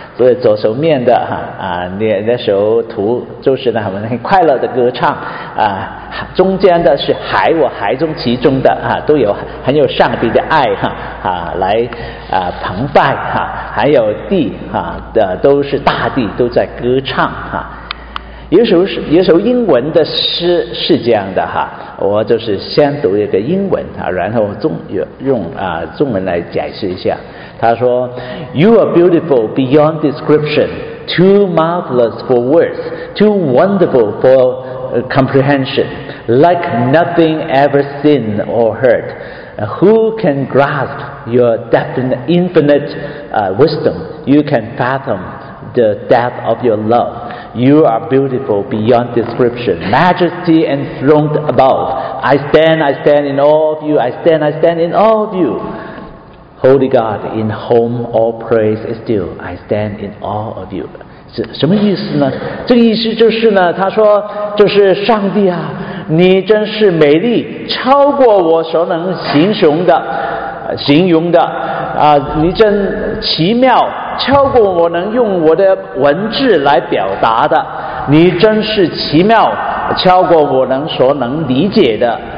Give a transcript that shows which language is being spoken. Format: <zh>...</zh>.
<zh>所以左手面的哈那时候图就是呢，我们很快乐的歌唱啊，中间的是海，我海中其中的哈、啊，都有很有上帝的爱哈 来澎湃哈、啊，还有地哈的、啊、都是大地都在歌唱哈。啊，有首英文的诗是这样的哈，我就是先读一个英文啊，然后用中文来解释一下。他说</zh> <en>：“You are beautiful beyond description, too marvelous for words, too wonderful for comprehension, like nothing ever seen or heard. Who can grasp your infinite wisdom, you can fathom the depth of your love. You are beautiful beyond description, majesty enthroned above. I stand in all of you. I stand in all of you. Holy God, in whom all praise is due, I stand in all of you.</en> <zh>什么意思呢？这个意思就是呢，他说就是上帝啊，你真是美丽，超过我所能形容的啊，你真奇妙，超过我能用我的文字来表达的，你真是奇妙，超过我能所能理解的</zh>